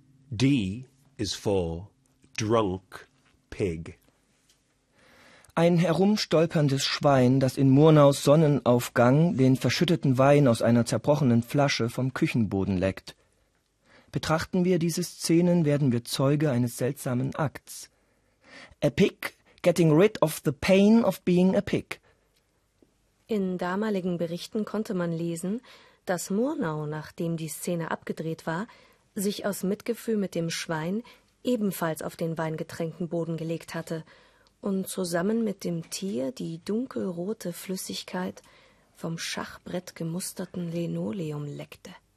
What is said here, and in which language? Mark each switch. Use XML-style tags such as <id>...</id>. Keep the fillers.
<en>D is for drunk pig.</en> <de>Ein herumstolperndes Schwein, das in Murnaus Sonnenaufgang den verschütteten Wein aus einer zerbrochenen Flasche vom Küchenboden leckt. Betrachten wir diese Szenen, werden wir Zeuge eines seltsamen Akts.</de> <en>A pig getting rid of the pain of being a pig.</en> <de>In damaligen Berichten konnte man lesen, dass Murnau, nachdem die Szene abgedreht war, sich aus Mitgefühl mit dem Schwein ebenfalls auf den weingetränkten Boden gelegt hatte und zusammen mit dem Tier die dunkelrote Flüssigkeit vom Schachbrett gemusterten Linoleum leckte.</de>